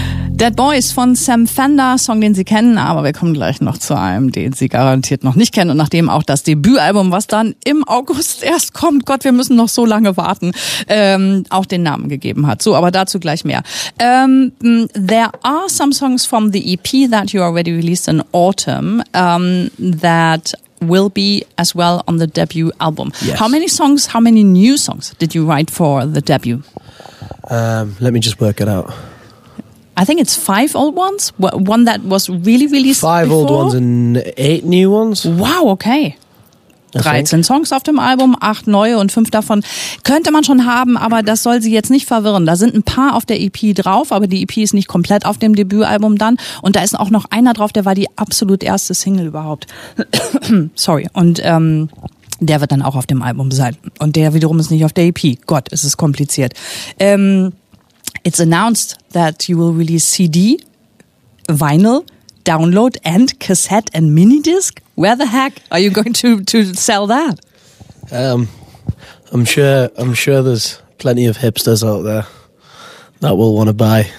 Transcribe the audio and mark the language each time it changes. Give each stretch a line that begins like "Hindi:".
German: Dead Boys von Sam Fender, Song, den Sie kennen, aber wir kommen gleich noch zu einem, den Sie garantiert noch nicht kennen. Und nachdem auch das Debütalbum, was dann im August erst kommt, Gott, wir müssen noch so lange warten, auch den Namen gegeben hat. So, aber dazu gleich mehr.
English: There are some songs from the EP that you already released in autumn that will be as well on the debut album. Yes. How many new songs did you write for the debut? Let me just work it out. I think it's 5 old ones. One that was really released 5 before. Old ones and 8 new ones. Wow, okay.
German: 13 Songs auf dem Album, 8 neue und 5 davon könnte man schon haben, aber das soll Sie jetzt nicht verwirren. Da sind ein paar auf der EP drauf, aber die EP ist nicht komplett auf dem Debütalbum dann. Und da ist auch noch einer drauf, der war die absolut erste Single überhaupt. Sorry. Und der wird dann auch auf dem Album sein. Und der wiederum ist nicht auf der EP. Gott, es ist kompliziert.
English: It's announced that you will release CD, vinyl, download and cassette and minidisc. Where the heck are you going to sell that? I'm sure there's plenty of hipsters out there that will want to buy.